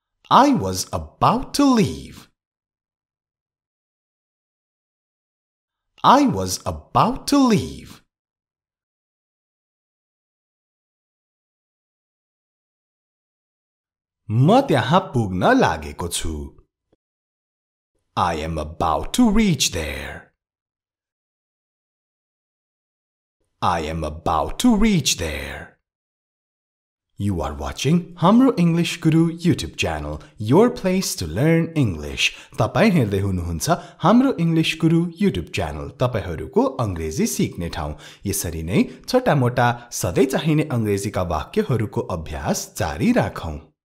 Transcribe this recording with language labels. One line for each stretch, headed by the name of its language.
English: I was about to leave. I was about to leave.
Nepali: म त्यहाँ पुग्न लागेको छु.
English: I am about to reach there. I am about to reach there. You are watching हाम्रो English Guru YouTube channel, your place to learn English.
Nepali: तपाईँ हेर्दै हुनुहुन्छ हाम्रो English Guru YouTube channel, तपाईँहरूको अङ्ग्रेजी सिक्ने ठाउँ. यसरी नै छोटा मोटा सधैँ चाहिने अङ्ग्रेजीका वाक्यहरूको अभ्यास जारी राखौँ.